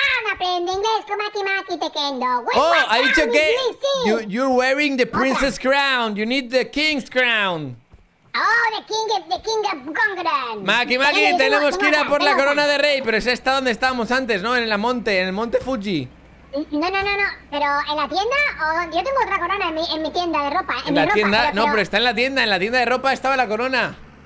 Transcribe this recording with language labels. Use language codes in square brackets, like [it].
[es] Aprende inglés con Mati Tequendo. Oh, ha dicho que [en] you're wearing the princess crown. You need the king's crown. Oh, the king of Congress. [es] Maki, tenemos que ir a por la corona de rey, pero es esta donde estábamos antes, ¿no? En el monte Fuji. No, pero en la tienda yo tengo otra corona en mi tienda de ropa. Pero está en la tienda de ropa estaba la corona.